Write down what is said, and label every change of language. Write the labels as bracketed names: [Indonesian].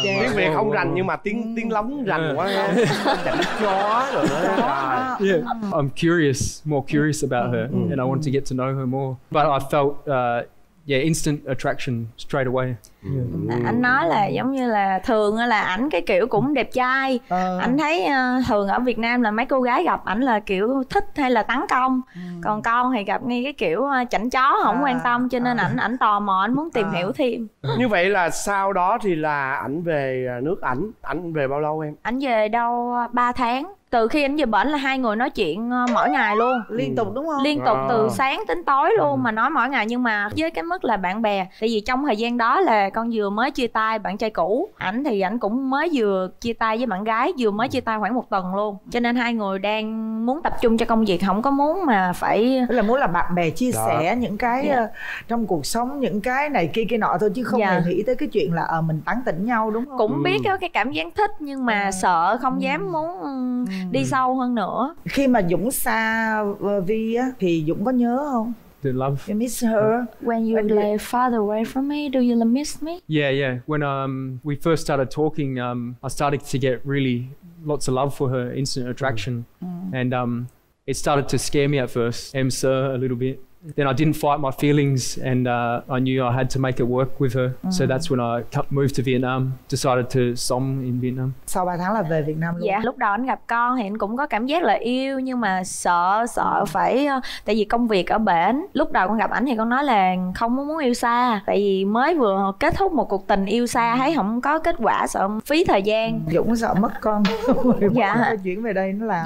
[Vietnamese] Tiếng Việt không rành nhưng mà tiếng lóng rành quá. Chân chó rồi. [English] Yeah. I'm curious about her and I want to get to know her more. But I felt yeah, instant attraction straight away. Yeah. [Vietnamese] Anh nói là giống như là thường là ảnh cái kiểu cũng đẹp trai. Anh thấy thường ở Việt Nam là mấy cô gái gặp ảnh là kiểu thích hay là tấn công. Còn con thì gặp ngay cái kiểu chảnh chó không quan tâm, cho nên ảnh ảnh tò mò, ảnh muốn tìm hiểu thêm. Như vậy là sau đó thì là ảnh về nước ảnh. Ảnh về bao lâu em? Ảnh về đâu 3 tháng. Từ khi ảnh về bển là hai người nói chuyện mỗi ngày luôn. Liên tục đúng không? Liên tục từ sáng tới tối luôn mà nói mỗi ngày. Nhưng mà với cái mức là bạn bè, tại vì trong thời gian đó là con vừa mới chia tay bạn trai cũ. Ảnh thì ảnh cũng mới vừa chia tay với bạn gái, vừa mới chia tay khoảng một tuần luôn. Cho nên hai người đang muốn tập trung cho công việc, không có muốn mà phải... Tức là muốn là bạn bè chia sẻ những cái trong cuộc sống, những cái này kia kia nọ thôi. Chứ không hề nghĩ tới cái chuyện là mình tán tỉnh nhau đúng không? Cũng biết cái cảm giác thích nhưng mà sợ không dám muốn... đi sâu hơn nữa. Khi mà Dũng xa Vi á thì Dũng có nhớ không? [English] Do you love? You miss her? When you lay farther away from me, do you miss me? Yeah, yeah. When we first started talking, I started to get really lots of love for her, instant attraction. And it started to scare me at first, sir a little bit. Then I didn't fight my feelings and I knew I had to make it work with her. So that's when I moved to Vietnam, decided to sống in Vietnam. [Vietnamese] Sau 3 tháng là về Việt Nam luôn. Dạ, lúc đầu anh gặp con thì anh cũng có cảm giác là yêu nhưng mà sợ phải... Tại vì công việc ở bển, lúc đầu con gặp ảnh thì con nói là không muốn yêu xa. Tại vì mới vừa kết thúc một cuộc tình yêu xa, thấy không có kết quả, sợ phí thời gian. Dũng sợ mất con. Dạ. Chuyển về đây nó làm.